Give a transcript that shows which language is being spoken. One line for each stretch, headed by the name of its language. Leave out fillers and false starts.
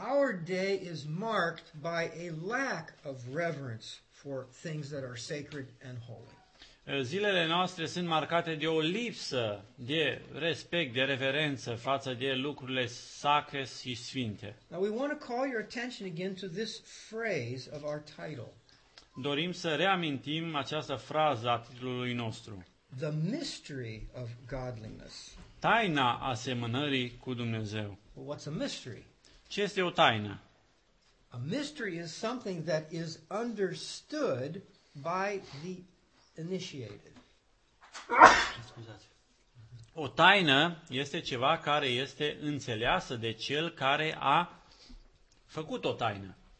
English: Our day is marked by a lack of reverence for things that are sacred and holy.
Romanian: Zilele noastre sunt marcate de o lipsă de respect, de reverență față de lucrurile sacre și sfinte.
English: Now we want to call your attention again to this phrase of our title.
Romanian: Dorim să reamintim această frază a titlului nostru.
English: The mystery of godliness.
Romanian: Taina asemănării cu Dumnezeu.
English: Well, what's a mystery?
Romanian: Ce este o taină?
English: A mystery is something that is understood by the initiated.
Romanian: O taină este ceva care este înțeleasă de cel care a făcut o taină.